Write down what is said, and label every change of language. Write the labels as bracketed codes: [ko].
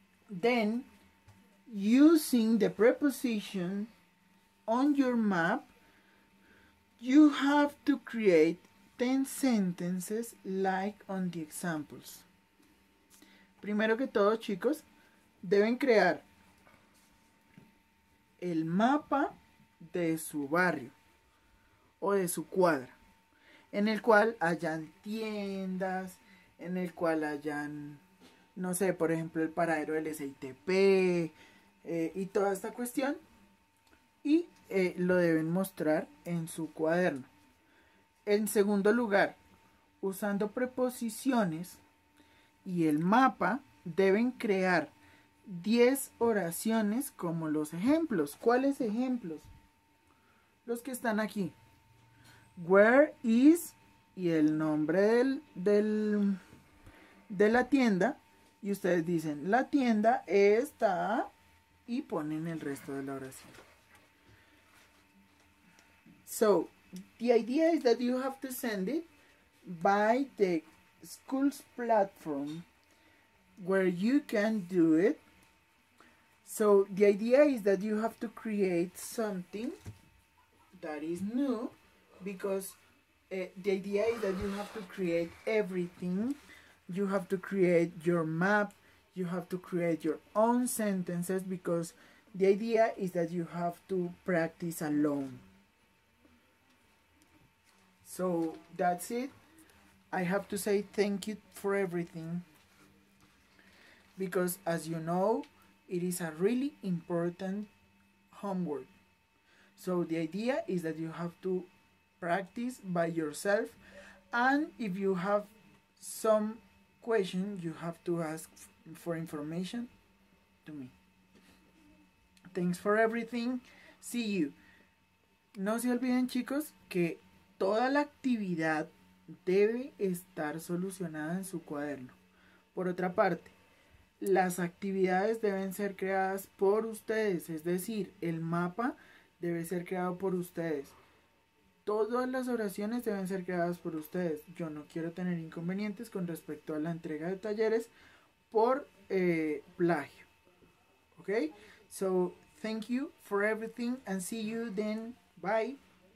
[en] Then, using the preposition on your map, you have to create 10 sentences like on the examples. [es] Primero que todo, chicos, deben crear el mapa de su barrio o de su cuadra, en el cual hayan tiendas, en el cual hayan, no sé, por ejemplo, el paradero del SITP y toda esta cuestión, y lo deben mostrar en su cuaderno. En segundo lugar, usando preposiciones y el mapa, deben crear 10 oraciones como los ejemplos. ¿Cuáles ejemplos? Los que están aquí. [en] Where is, [es] y el nombre de la tienda. Y ustedes dicen, la tienda está, y ponen el resto de la oración. [en] So, the idea is that you have to send it by the school's platform where you can do it. So, the idea is that you have to create something that is new, because the idea is that you have to create everything. You have to create your map. You have to create your own sentences, because the idea is that you have to practice alone. So, that's it. I have to say thank you for everything, because as you know, it is a really important homework. So the idea is that you have to practice by yourself, and if you have some question, you have to ask for information to me. Thanks for everything. See you. [es] No se olviden, chicos, que toda la actividad debe estar solucionada en su cuaderno. Por otra parte, las actividades deben ser creadas por ustedes, es decir, el mapa debe ser creado por ustedes. Todas las oraciones deben ser creadas por ustedes. Yo no quiero tener inconvenientes con respecto a la entrega de talleres por plagio. [en] Okay? So, thank you for everything and see you then. Bye.